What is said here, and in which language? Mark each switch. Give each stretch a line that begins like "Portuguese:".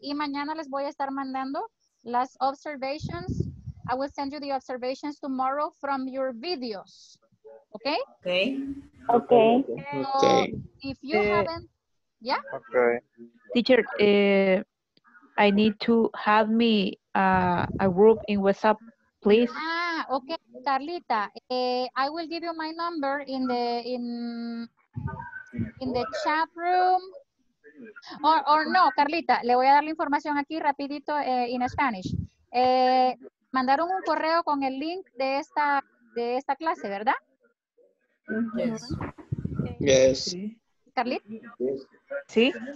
Spanish: Y mañana les voy a estar mandando las observations.
English: I will send you the observations tomorrow from your videos. Okay? Okay. Okay. So if you haven't, yeah? Okay. Teacher, I need to have me a group in WhatsApp. Please. Ah, okay, Carlita. I will give you my number in the chat room.
Spanish: Or no, Carlita, le voy a dar la información aquí rapidito
English: in Spanish.
Spanish: Mandaron un correo con el link de esta clase, ¿verdad?
English: Yes. Uh-huh. Yes. Carlita.
Spanish: Sí.